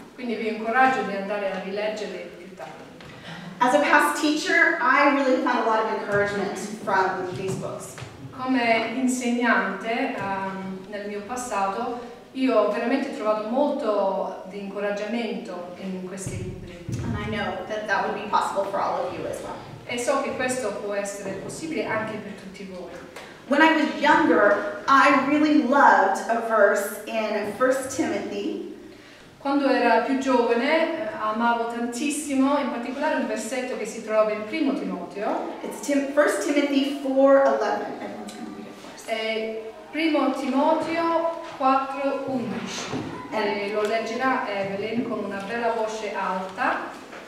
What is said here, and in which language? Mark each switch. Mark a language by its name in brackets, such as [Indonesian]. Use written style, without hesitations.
[Italian] Quindi vi incoraggio di andare a rileggere più tardi. [English] As a past teacher, I really found a lot of encouragement from these books. [Italian] Come insegnante nel mio passato, io ho veramente trovato molto di incoraggiamento in questi libri. [English] And I know that that would be possible for all of you as well. [Italian] E so che questo può essere possibile anche per tutti voi. [English] When I was younger, I really loved a verse in 1 Timothy. [Italian] Quando era più giovane, amavo tantissimo, in particolare un versetto che si trova in 1 Timoteo. [English] It's 1 Timothy 4:11. [Italian] Primo Timoteo 4:11. And lo leggerà Evelyn con una bella voce alta.